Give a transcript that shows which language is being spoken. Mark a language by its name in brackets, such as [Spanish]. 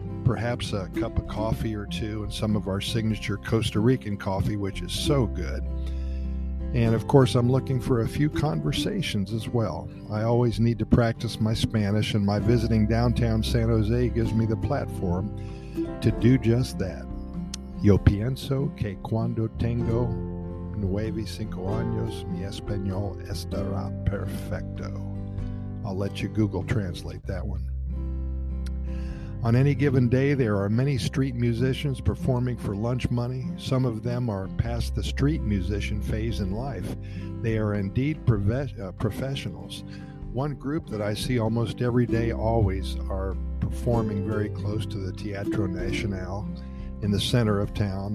[English] Perhaps a cup of coffee or two and some of our signature Costa Rican coffee, which is so good. And of course, I'm looking for a few conversations as well. I always need to practice my Spanish, and my visiting downtown San Jose gives me the platform to do just that. [Spanish] Yo pienso que cuando tengo 9 o 5 años, mi español estará perfecto. [English] I'll let you Google translate that one. On any given day, there are many street musicians performing for lunch money. Some of them are past the street musician phase in life. They are indeed professionals. One group that I see almost every day always are performing very close to the Teatro Nacional in the center of town.